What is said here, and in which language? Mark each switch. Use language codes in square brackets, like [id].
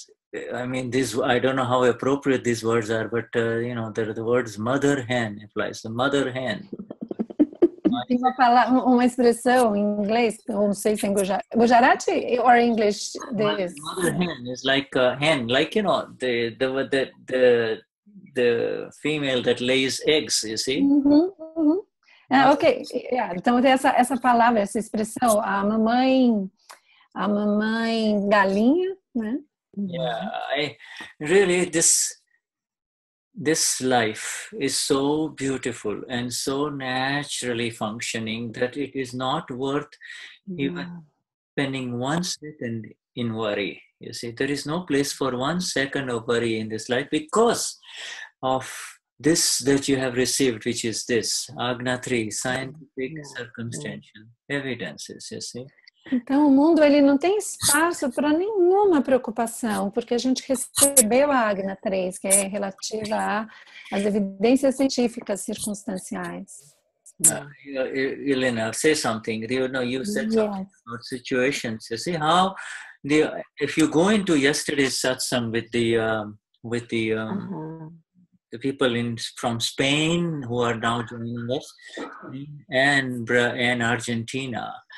[en] I don't know how appropriate these words are, but you know, the words mother hen applies. The mother hen. [pt] Tem uma expressão em inglês, não sei se em Gujarati [en] or English. This. Mother hen is like a hen, like, you know, the female that lays eggs, you see? [pt] Então tem essa palavra, essa expressão, a mamãe galinha, né? [en] Yeah, this life is so beautiful and so naturally functioning that it is not worth even spending one second in worry. You see, there is no place for one second of worry in this life because of this that you have received, which is this, Agna 3, scientific circumstantial evidences, you see. [pt] Então, o mundo ele não tem espaço para nenhuma preocupação, porque a gente recebeu a Agna 3, que é relativa às evidências científicas circunstanciais. [en] Elena, say something. You said something about situations. You see how, if you go into yesterday's satsang with the people from Spain who are now joining us, and Argentina.